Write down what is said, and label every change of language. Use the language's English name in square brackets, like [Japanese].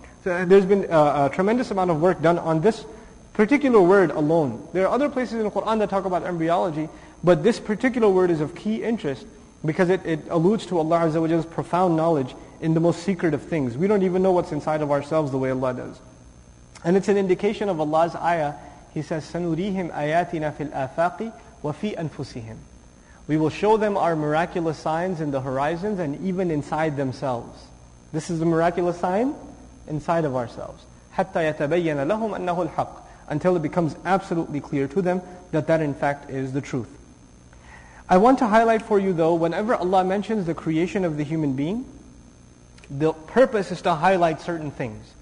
[English] There's been a tremendous amount of work done on this particular word alone. There are other places in the Qur'an that talk about embryology, but this particular word is of key interest because it alludes to Allah Azza wa Jalla's profound knowledge in the most secret of things. We don't even know what's inside of ourselves the way Allah does. And it's an indication of Allah's ayah. He says, [Arabic] سَنُرِيهِمْ آيَاتِنَا فِي الْآفَاقِ وَفِي أَنفُسِهِمْ. [English] We will show them our miraculous signs in the horizons and even inside themselves. This is the miraculous sign inside of ourselves. [Arabic] حَتَّى يَتَبَيَّنَ لَهُمْ أَنَّهُ الْحَقِّ. [English] Until it becomes absolutely clear to them that in fact is the truth. I want to highlight for you though, whenever Allah mentions the creation of the human being, the purpose is to highlight certain things.